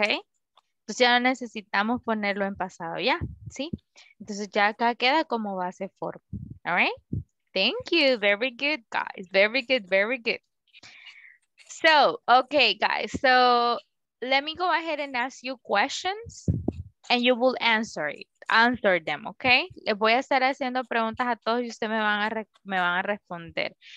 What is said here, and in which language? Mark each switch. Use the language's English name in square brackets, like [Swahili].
[Spanish] Entonces ya no necesitamos ponerlo en pasado ya, ¿sí? Entonces ya acá queda como base form, [English] ¿all right? Thank you, very good, guys, very good, very good. So, okay, guys, so... Let me go ahead and ask you questions and you will answer it. Answer them, okay? [Spanish] Les voy a estar haciendo preguntas a todos y ustedes me van a responder.